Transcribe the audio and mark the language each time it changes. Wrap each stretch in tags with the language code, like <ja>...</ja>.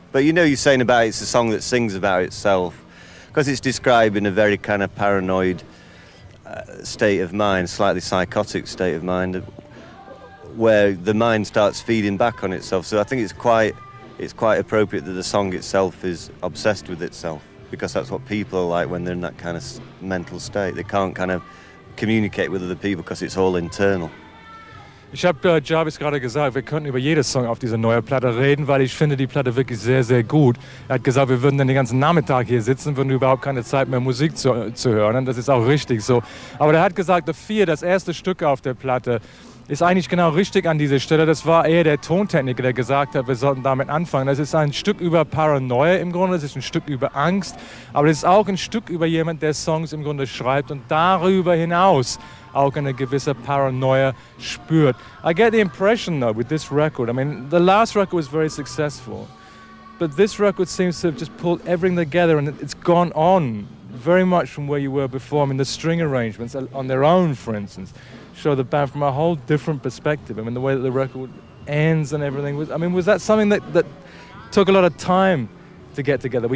<en>But you know, you're saying about it's a song that sings about itself because it's describing a very kind of paranoid state of mind, slightly psychotic state of mind, where the mind starts feeding back on itself. So I think it's quite appropriate that the song itself is obsessed with itself, because that's what people are like when they're in that kind of mental state. They can't kind of communicate with other people because it's all internal.</en> <de>Ich habe Jarvis gerade gesagt, wir könnten über jedes Song auf dieser neuen Platte reden, weil ich finde die Platte wirklich sehr, sehr gut. Er hat gesagt, wir würden dann den ganzen Nachmittag hier sitzen, würden überhaupt keine Zeit mehr Musik zu hören. Und das ist auch richtig so. Aber er hat gesagt, das erste Stück auf der Platte, ist eigentlich genau richtig an dieser Stelle. Das war eher der Tontechniker, der gesagt hat, wir sollten damit anfangen. Das ist ein Stück über Paranoia im Grunde, das ist ein Stück über Angst, aber es ist auch ein Stück über jemand, der Songs im Grunde schreibt und darüber hinaus auch eine gewisse Paranoia spürt.</de> <en>I get the impression though with this record, I mean, the last record was very successful, but this record seems to have just pulled everything together and it's gone on very much from where you were before. I mean, the string arrangements on their own, for instance, show the band from a whole different perspective. I mean, the way that the record ends and everything was, I mean, was that something that took a lot of time to get together?</en>